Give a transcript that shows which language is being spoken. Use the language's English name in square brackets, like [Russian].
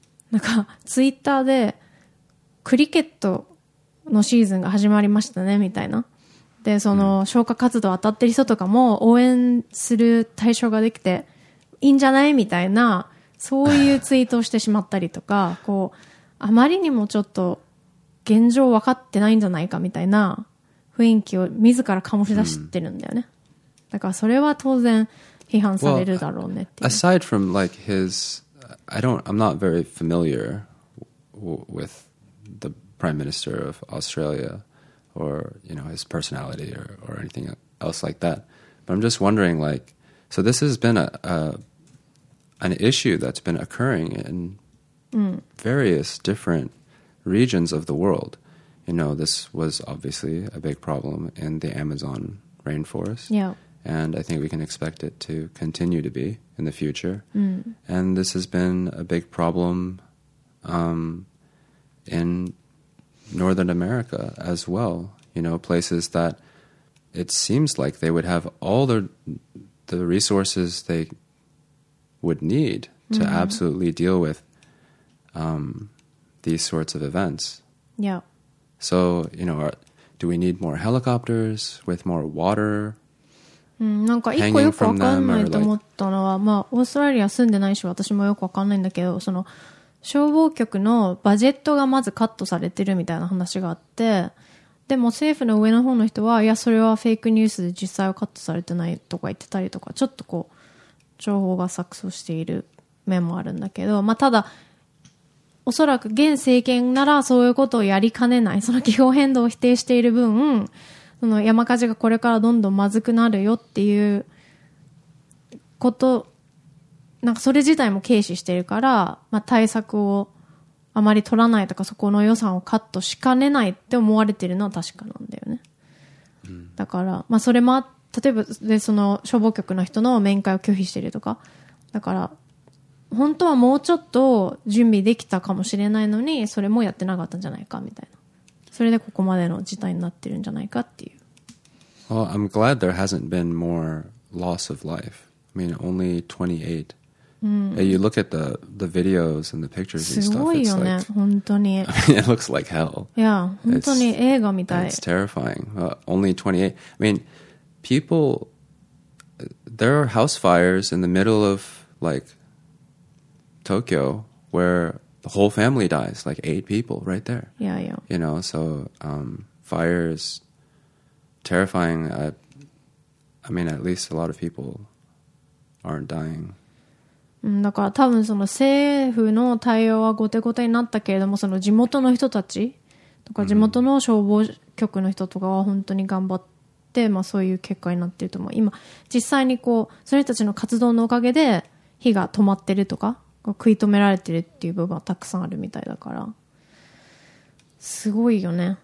[Japanese] なんかツイッターでクリケットのシーズンが始まりましたねみたいな、でその消火活動当たってる人とかも応援する対象ができていいんじゃないみたいな、そういうツイートをしてしまったりとか、こうあまりにもちょっと現状分かってないんじゃないかみたいな雰囲気を自ら醸し出してるんだよね。だからそれは当然批判されるだろうねっていう。 [English] Well, aside from like his, I'm not very familiar with the Prime Minister of Australia or you know his personality or anything else like that. But I'm just wondering like. So this has been an issue that's been occurring in various different regions of the world. You know, this was obviously a big problem in the Amazon rainforest. Yeah. And I think we can expect it to continue to be in the future. And this has been a big problem in Northern America as well. You know, places that it seems like they would have all their... the resources they would need to absolutely deal with these sorts of events. Yeah. So, you know, do we need more helicopters with more water? [Japanese] なんか一個よくわかんないと思ったのは、まあ、オーストラリア住んでないし、私もよくわかんないんだけど、その消防局のバジェットがまずカットされてるみたいな話があって、でも政府の上の方の人は、いやそれはフェイクニュースで実際はカットされてないとか言ってたりとか、ちょっとこう情報が錯綜している面もあるんだけど、まあただおそらく現政権ならそういうことをやりかねない、その気候変動を否定している分、その山火事がこれからどんどんまずくなるよっていうこと、なんかそれ自体も軽視しているから、まあ対策をあまり取らないとか、そこの予算をカットしかねないって思われてるのは確かなんだよね。だから、まあそれも、例えば、で、その消防局の人の面会を拒否してるとか、だから、本当はもうちょっと準備できたかもしれないのに、それもやってなかったんじゃないかみたいな。それでここまでの事態になってるんじゃないかっていう。 [English] Well, I'm glad there hasn't been more loss of life. I mean, only 28 You look at the videos and the pictures and stuff. It's like, [Japanese] 本当に。 [English] It looks like hell. [Japanese] Yeah, 本当に映画みたい。 [English] It's terrifying. Only 28. I mean, people, there are house fires in the middle of like Tokyo where the whole family dies, like 8 people right there. Yeah, yeah. You know, so fire is terrifying. I mean, at least a lot of people aren't dying. [Japanese] だから多分その政府の対応は後手後手になったけれども、その地元の人たちとか地元の消防局の人とかは本当に頑張って、まあ、そういう結果になっていると思う。今実際にこうその人たちの活動のおかげで火が止まってるとか食い止められてるっていう部分はたくさんあるみたいだから、すごいよね。